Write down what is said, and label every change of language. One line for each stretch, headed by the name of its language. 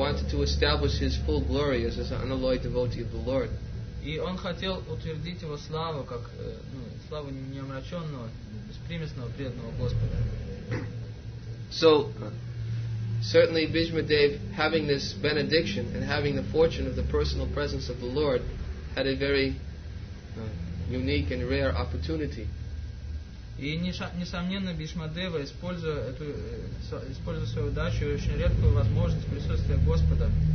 English: And wanted to establish his full glory as an unalloyed devotee of the Lord.
Russian: И он хотел утвердить его славу как славу неомраченного, беспримесного преданного Господа.
English: So, certainly Bhishma Dev, having this benediction and having the fortune of the personal presence of the Lord, had a very unique and rare opportunity.
Russian: И несомненно, Бхишма Дева, используя свою удачу и очень редкую возможность присутствия Господа,